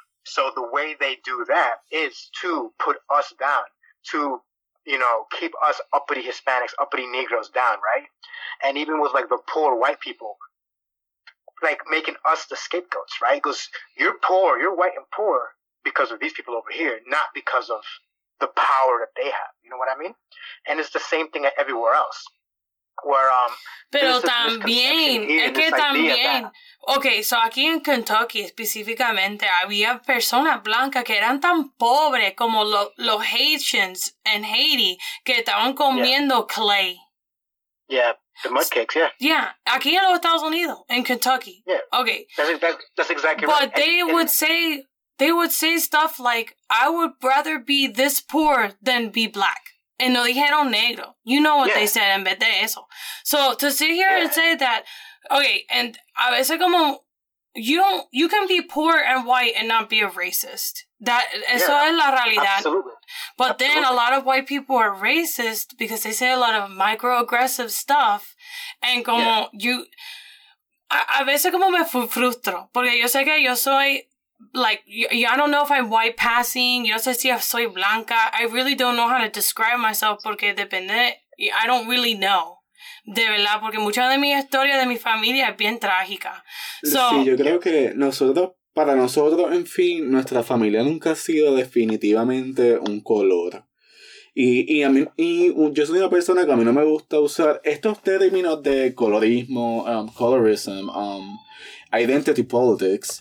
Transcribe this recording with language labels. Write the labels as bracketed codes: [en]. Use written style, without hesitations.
[en] So the way they do that is to put us down, to, you know, keep us uppity Hispanics, uppity Negroes down, right? And even with, like, the poor white people, like, making us the scapegoats, right? Because you're poor, you're white and poor because of these people over here, not because of the power that they have. You know what I mean? And it's the same thing everywhere else. [es] Pero también, es que también, okay, so aquí en Kentucky específicamente había personas blancas que eran tan pobres como los Haitians en Haiti que estaban comiendo clay. [en] Yeah, the mud cakes, yeah. [es] Yeah, aquí en los Estados Unidos, en Kentucky. [en] Yeah. Okay. That's exactly but right. But they would say stuff like, I would rather be this poor than be black. And [es] no dijeron negro. [en] You know what they said [es] en vez de eso. [en] So to sit here and say that, okay, and [es] a veces como, [en] you can be poor and white and not be a racist. [es] That eso es la realidad. [en] Absolutely. But absolutely. Then a lot of white people are racist because they say a lot of microaggressive stuff. [es] And como a veces como me frustro. Porque yo sé que yo soy... [en] Like, I don't know if I'm white passing. [es] Yo sé si soy blanca. [en] I really don't know how to describe myself [es] porque depende. [en] I don't really know. [es] De verdad, porque mucha de mi historia de mi familia es bien trágica. [en] So, [es] sí, yo creo que para nosotros, en fin, nuestra familia nunca ha sido definitivamente un color. Y yo soy una persona que a mí no me gusta usar estos términos de colorismo, colorism, identity politics,